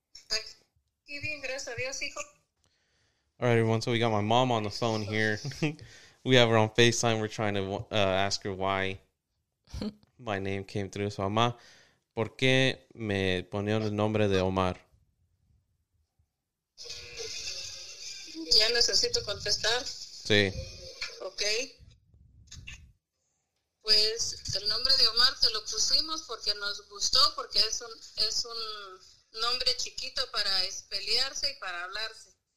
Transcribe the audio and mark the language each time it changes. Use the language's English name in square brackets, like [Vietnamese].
[Spanish] Aquí bien, gracias a Dios, hijo. [English] All right, everyone. So we got my mom on the phone here. We have her on FaceTime. We're trying to ask her why my name came through. [Spanish] So, mamá, ¿por qué me ponieron el nombre de Omar? Ya necesito contestar. Sí. Ok. Pues el nombre de Omar te lo pusimos porque nos gustó, porque es un nombre chiquito para espelearse y para hablarse.